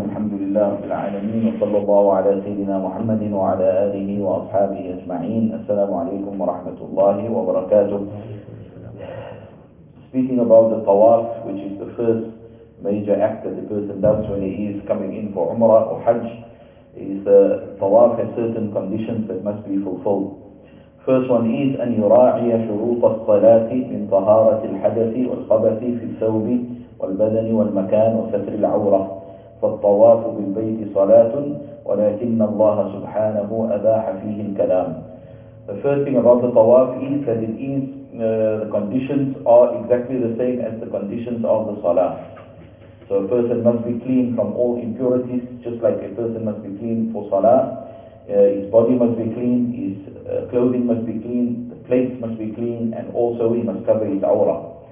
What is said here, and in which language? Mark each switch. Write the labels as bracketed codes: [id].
[ar] الحمد لله رب العالمين، وصلى الله على سيدنا محمد وعلى آله وأصحابه أجمعين. السلام عليكم ورحمة الله وبركاته. [en] Speaking about the tawaf, which is the first major act that the person does when he is coming in for Umrah or Hajj, is the tawaf has certain conditions that must be fulfilled. First one is [ar] أن يراعي شروط الصلاة من طهارة الحدث والخبث في الثوب والبدن والمكان وستر العورة. فالطواف بالبيت صلاة، ولكن الله سبحانه أباح فيه الكلام. [en] The first thing about the tawaf is that it is the conditions are exactly the same as the conditions of the salah. So a person must be clean from all impurities, just like a person must be clean for salah. His body must be clean, his clothing must be clean, the plates must be clean, and also he must cover his awra.